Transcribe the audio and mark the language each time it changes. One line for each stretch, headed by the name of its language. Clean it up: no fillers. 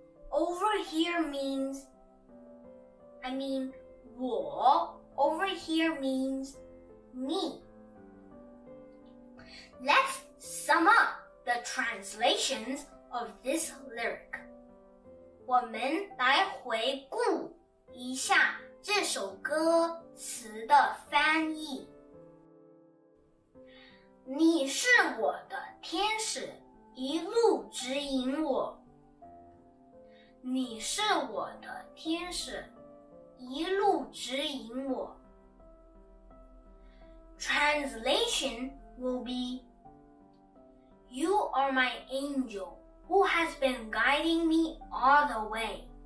English: over here means I mean 我 over here means me. Let's sum up the translations of this lyric.
Chinese: 我们来回顾一下这首歌词的翻译。你是我的天使，一路指引我。你是我的天使，一路指引我。
English: Translation will be, You are my angel who has been guiding me all the way.